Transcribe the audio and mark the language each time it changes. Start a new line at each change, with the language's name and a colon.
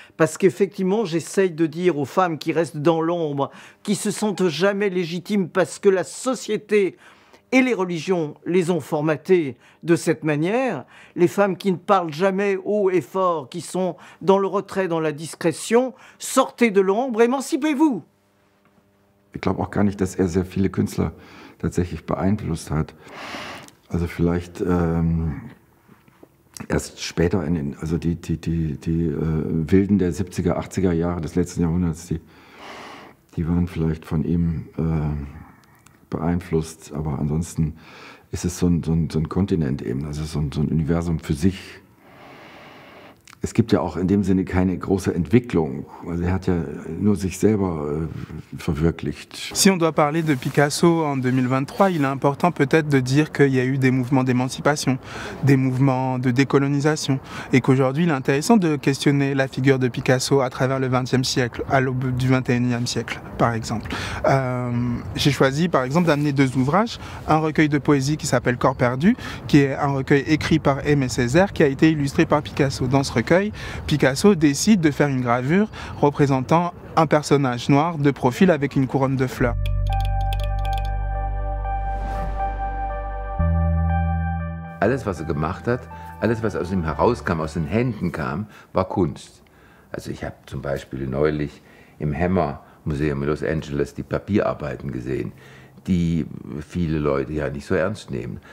French: Parce qu'effectivement, j'essaye de dire aux femmes qui restent dans l'ombre, qui se sentent jamais légitimes parce que la société et les religions les ont formatées de cette manière, les femmes qui ne parlent jamais haut et fort, qui sont dans le retrait, dans la discrétion, sortez de l'ombre, émancipez-vous.
German: Ich glaube auch gar nicht, dass sehr viele Künstler tatsächlich beeinflusst hat. Also vielleicht erst später in den, also die Wilden der 70er, 80er Jahre des letzten Jahrhunderts, die waren vielleicht von ihm beeinflusst, aber ansonsten ist es so ein Kontinent eben, also so ein Universum für sich. Es gibt ja auch in dem Sinne keine große Entwicklung, also er hat ja nur sich selber verwirklicht.
French: Si on doit parler de Picasso en 2023, il est important peut-être de dire qu'il y a eu des mouvements d'émancipation, des mouvements de décolonisation, et qu'aujourd'hui il est intéressant de questionner la figure de Picasso à travers le XXe siècle, à l'aube du XXIe siècle, par exemple. J'ai choisi par exemple d'amener deux ouvrages, un recueil de poésie qui s'appelle Corps perdu, qui est un recueil écrit par Aimé Césaire, qui a été illustré par Picasso. Dans ce recueil, Picasso décide de faire une gravure représentant un personnage noir de profil avec une couronne de fleurs.
German: Alles was er gemacht hat, alles was aus ihm herauskam, aus den Händen kam, war Kunst. Also ich habe zum Beispiel neulich im Hammer Museum in Los Angeles die Papierarbeiten gesehen, die viele Leute ja nicht so ernst nehmen.